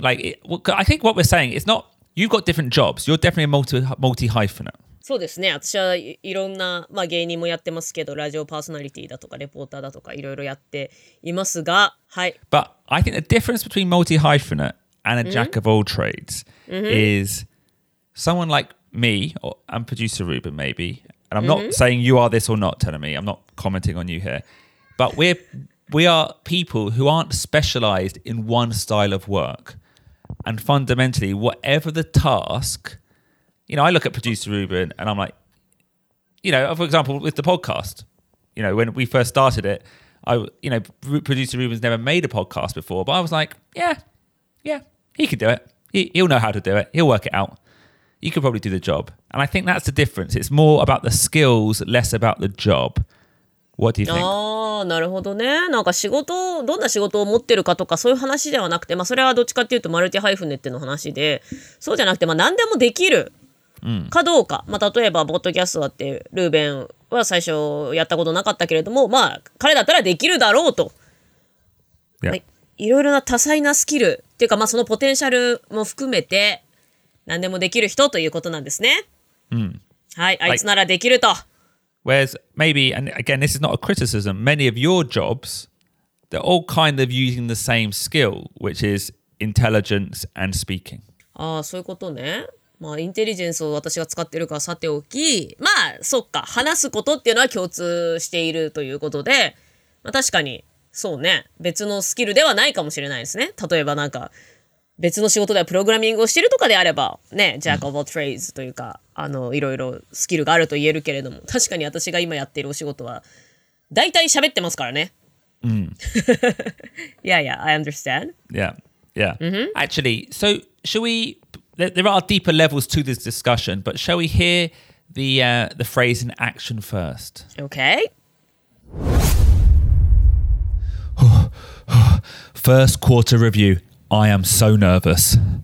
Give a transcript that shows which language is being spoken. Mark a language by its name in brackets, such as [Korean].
[English] Like, I think what we're saying, it's not, you've got different jobs. You're definitely a multi-hyphenate. [Japanese] そうですね。私はいろんな、まあ、芸人もやってますけど、ラジオパーソナリティだとかレポーターだとかいろいろやっていますが、はい。 [English] But I think the difference between multi-hyphenate and a jack of all trades is someone like me, or I'm producer Ruben maybe, and I'm not saying you are this or not, Tanami. I'm not commenting on you here. But we are people who aren't specialized in one style of work. And fundamentally, whatever the task... You know, I look at producer Ruben and I'm like, you know, for example, with the podcast, you know, when we first started it, producer Ruben's never made a podcast before, but I was like, yeah, he could do it. He'll know how to do it. He'll work it out. You could probably do the job. And I think that's the difference. It's more about the skills, less about the job. What do you think? [Japanese] ああ、なるほどね。なんか仕事をどんな仕事を持ってるかとかそういう話ではなくて、まあそれはどっちかっていうとマルティハイフネっての話で、そうじゃなくて、まあ何でもできるかどうか。まあ例えばボッドキャストだってルーベンは最初やったことなかったけれども、まあ彼だったらできるだろうと。 [English] Yeah. [Japanese] まあ、いろいろな多彩なスキルっていうか、まあそのポテンシャルも含めて何でもできる人ということなんですね。はい、あいつならできると。 [English] Whereas maybe, and again, this is not a criticism, many of your jobs, they're all kind of using the same skill, which is intelligence and speaking. [Japanese] ああ、そういうことね。まあ、インテリジェンスを私が使ってるかさておき、まあ、そっか、話すことっていうのは共通しているということで、まあ、確かに、そうね、別のスキルではないかもしれないですね。例えばなんか、別の仕事ではプログラミングをしているとかであればね、Jack of all trades というか、あの、いろいろスキルがあると言えるけれども、確かに私が今やっているお仕事は、大体喋ってますからね。 [English] Yeah, I understand. Yeah, yeah.、Mm-hmm. Actually, so, there are deeper levels to this discussion, but shall we hear the phrase in action first? Okay. First quarter review. I am so nervous.